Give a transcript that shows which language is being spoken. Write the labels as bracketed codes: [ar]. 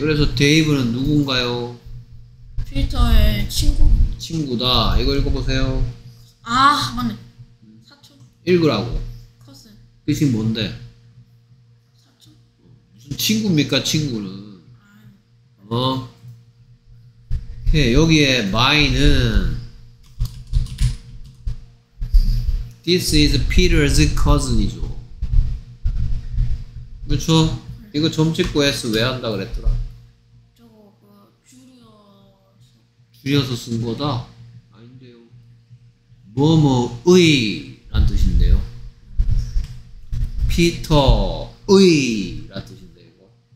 [ko] 그래서 데이브는 누군가요? 필터의 친구? 친구다. 이거 읽어보세요. 아 맞네. 사촌. 읽으라고. 커슨. 뜻이 뭔데? 사촌. 무슨 친구입니까 친구는? 어? 오케이. 여기에 마이는 [en] This is Peter's cousin이죠. [ko] 그렇죠? 이거 점 찍고 S 왜 한다 그랬더라? 저거 그 줄여서 줄여서 쓴 거다? 아닌데요. 뭐뭐의 라는 뜻인데요. 피터의 라는 뜻인데 이거.